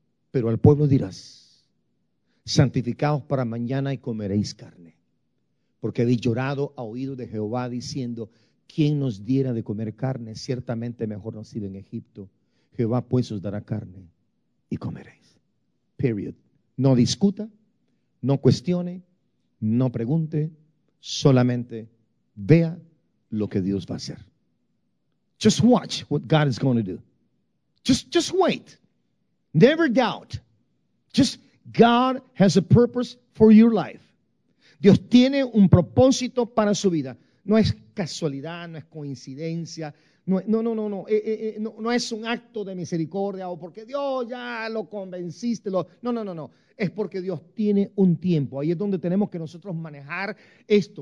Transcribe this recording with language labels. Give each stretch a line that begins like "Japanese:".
Spanish: Pero al pueblo dirás: santificaos para mañana y comeréis carne, porque habéis llorado a oídos de Jehová diciendo: ¿quién nos diera de comer carne? Ciertamente mejor nos sirve en Egipto. Jehová pues os dará carne y comeréis. Period. No discuta, no cuestione, no pregunte. Solamente vea lo que Dios va a hacer.
English: Just watch what God is going to do. Just wait. Never doubt. Just God has a purpose for your life.
Spanish: Dios tiene un propósito para su vida. No es casualidad, no es coincidencia. No. No es un acto de misericordia o porque Dios ya lo convenciste. No. Es porque Dios tiene un tiempo. Ahí es donde tenemos que nosotros manejar esto.